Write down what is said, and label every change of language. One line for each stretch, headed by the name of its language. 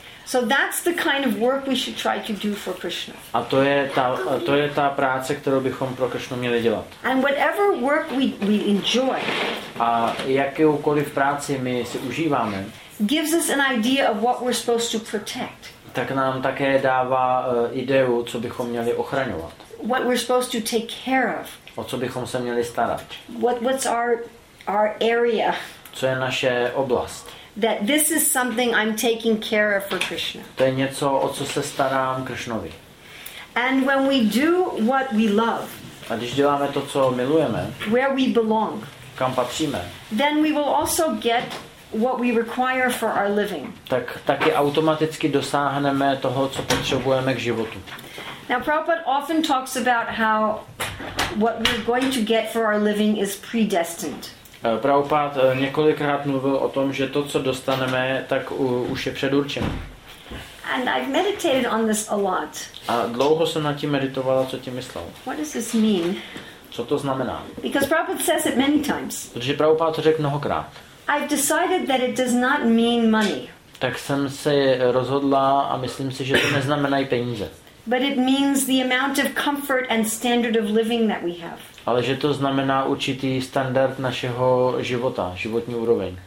English: So that's the kind of work we should try to do for Krishna.
Czech: A to je ta práce, kterou bychom pro Krishnu měli dělat.
English: And whatever work we enjoy.
Czech: A jakoukoliv práci my si užíváme.
English: Gives us an idea of what we're supposed to protect.
Czech: Tak nám také dává ideu, co bychom měli ochraňovat.
English: What we're supposed to take care of.
Czech: O co bychom se měli starat.
English: What's our area?
Czech: Co je naše oblast?
English: That this is something I'm taking care of for Krishna.
Czech: To je něco, o co se starám Krishnovi.
English: And when we do what we love.
Czech: A když děláme to, co milujeme.
English: Where we belong.
Czech: Kam patříme.
English: Then we will also get what we require for our living.
Czech: Tak taky automaticky dosáhneme toho, co potřebujeme k životu.
English: Now Prabhupada often talks about how what we're going to get for our living is predestined.
Czech: Prabhupád několikrát mluvil o tom, že to, co dostaneme, tak už je předurčeno.
English: And I've meditated on this a lot.
Czech: A dlouho jsem nad tím meditovala, co tím myslel.
English: What does this mean?
Czech: Co to znamená?
English: Because Prabhupada says it many times.
Czech: Protože Prabhupada to řekl mnohokrát.
English: I've decided that it does not mean money.
Czech: Tak jsem se rozhodla a myslím si, že to neznamenají peníze.
English: But it means the amount of comfort and standard of living that we have.
Czech: Ale že to znamená určitý standard našeho života, životní úroveň.